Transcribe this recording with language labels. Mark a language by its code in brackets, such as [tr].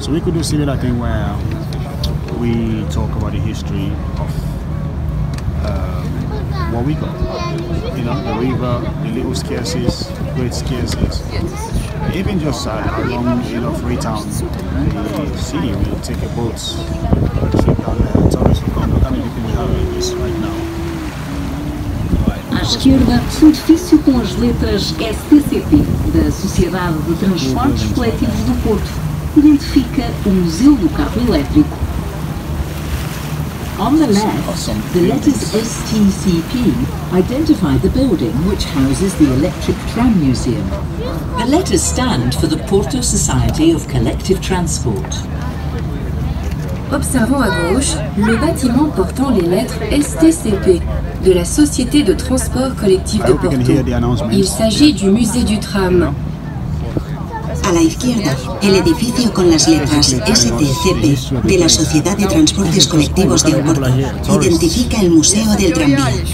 [en] So we could do similar thing where we talk about the history of what we got. You know, the river, the little scarces, great scarces. Even just along, you know, Freetown, the city, we take a boat trip down there. Tourists will come. What kind of people we have in this right now? [pt] À esquerda, um edifício com as letras SCCP, da Sociedade de Transportes Coletivos do Porto, identifica o Museu do Carro Elétrico. [en] On the left, the letters STCP identify the building which houses the Electric Tram Museum. The letters stand for the Porto Society of Collective Transport. [fr] Observons à gauche le bâtiment portant les lettres STCP de la Société de Transport Collectif de Porto. Il s'agit du musée du tram. [es] À la izquierda, el edificio con las letras STCP de la Sociedad de Transportes Colectivos de Oporto identifica el Museo del Tranvía.